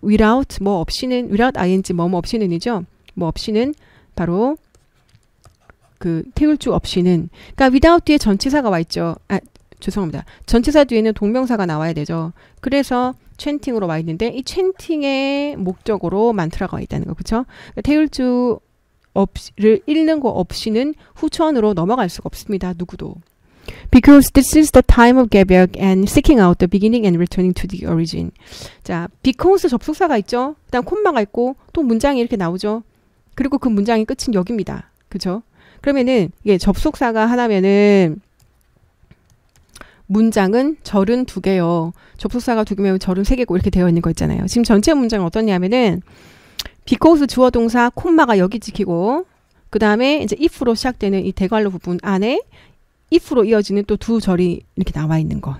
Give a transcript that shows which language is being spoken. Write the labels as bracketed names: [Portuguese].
[Korean] Without, 뭐 없이는, without ing, 뭐뭐 없이는이죠. 뭐 없이는 바로 그 태울주 없이는, 그러니까 without 뒤에 전치사가 와 있죠. 아, 죄송합니다. 전치사 뒤에는 동명사가 나와야 되죠. 그래서 chanting으로 와 있는데 이 chanting의 목적으로 mantra가 와 있다는 거, 그렇죠? 태울주 없이를 읽는 거 없이는 후천으로 넘어갈 수가 없습니다. 누구도. [English] Because this is the time of Gebyok and seeking out the beginning and returning to the origin. [Korean] 자, because 접속사가 있죠. 그다음 콤마가 있고 또 문장이 이렇게 나오죠. 그리고 그 문장의 끝은 여기입니다. 그렇죠? 그러면은 이게 접속사가 하나면은 문장은 절은 두 개요. 접속사가 두 개면 절은 세 개고 이렇게 되어 있는 거 있잖아요. 지금 전체 문장은 어떠냐면은 because 주어 동사 콤마가 여기 찍히고 그다음에 이제 if로 시작되는 이 대괄호 부분 안에 if로 이어지는 또 두 절이 이렇게 나와 있는 거.